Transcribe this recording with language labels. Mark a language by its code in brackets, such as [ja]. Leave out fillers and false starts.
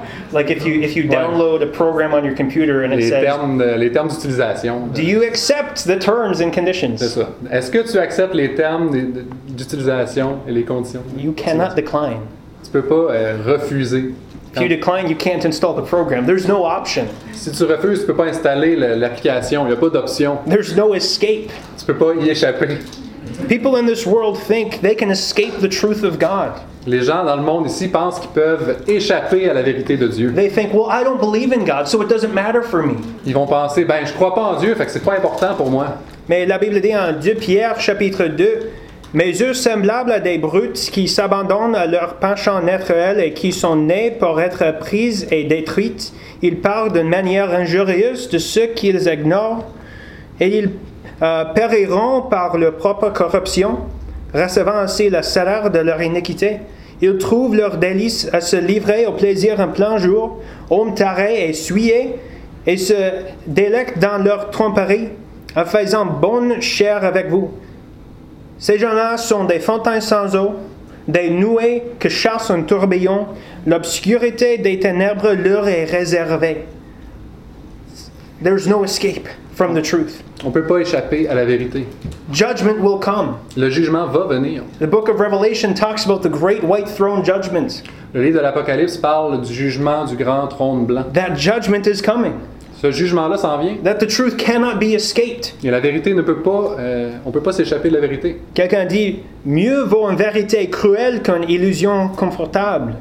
[en] Like if you download a program on your computer and [fr] les termes d'utilisation. [en] Do you accept the terms and conditions? [fr] C'est ça. Est-ce que tu acceptes les termes d'utilisation et les conditions? [en] You cannot decline. [fr] Tu peux pas refuser. [en] If you decline, you can't install the program. There's no option. [fr] Si tu refuses, tu peux pas installer l'application. Il y a pas d'option. [en] There's no escape. [fr] Tu peux pas y échapper. [en] People in this world think they can escape the truth of God. [fr] Les gens dans le monde ici pensent qu'ils peuvent échapper à la vérité de Dieu. [en] They think, well, I don't believe in God, so it doesn't matter for me. [fr] Ils vont penser, ben, je crois pas en Dieu, fait que c'est pas important pour moi. Mais la Bible dit en 2 Pierre chapitre 2, mes yeux semblables à des brutes qui s'abandonnent à leurs penchants naturels et qui sont nés pour être prises et détruites. Ils parlent d'une manière injurieuse de ceux qu'ils ignorent et ils périront par leur propre corruption, recevant ainsi le salaire de leur iniquité. Ils trouvent leur délice à se livrer au plaisir en plein jour, hommes tarés et souillés, et se délectent dans leur tromperie, en faisant bonne chère avec vous. Ces gens-là sont des fontaines sans eau, des nuées que chasse un tourbillon. L'obscurité des ténèbres leur est réservée. [en] There's no escape from the truth. [fr] On peut pas échapper à la vérité. [en] Judgment will come. [fr] Le jugement va venir. [en] The book of Revelation talks about the great white throne judgment. [fr] Le livre de l'Apocalypse parle du jugement du grand trône blanc. [en] That judgment is coming. [fr] Ce jugement-là s'en vient. [en] That the truth cannot be escaped. [fr] Et la vérité ne peut pas, on peut pas s'échapper de la vérité. Quelqu'un dit, mieux vaut une vérité cruelle qu'une illusion confortable.